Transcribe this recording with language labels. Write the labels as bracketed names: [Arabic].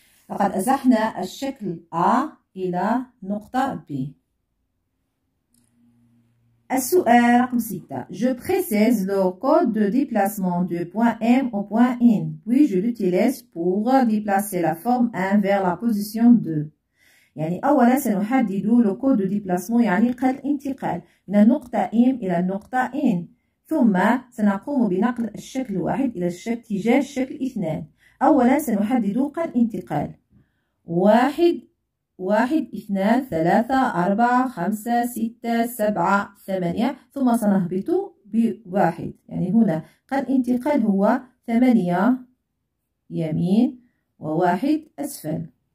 [Arabic] لقد أزحنا الشكل A إلى نقطة B. السؤال رقم 6، [French] Je précise le code de déplacement du point M au point N, puis je l'utilise pour déplacer la forme 1 vers la position 2. [Arabic] يعني أولا سنحدد [French] le code de déplacement، [Arabic] يعني خط الانتقال من النقطة M إلى النقطة N، ثم سنقوم بنقل الشكل 1 إلى الشكل تجاه الشكل 2. أولا سنحدد خط الانتقال 1 1 2 3 4 5 6 7 8، ثم سنهبط بواحد، يعني هنا خط الانتقال هو 8 يمين وواحد أسفل.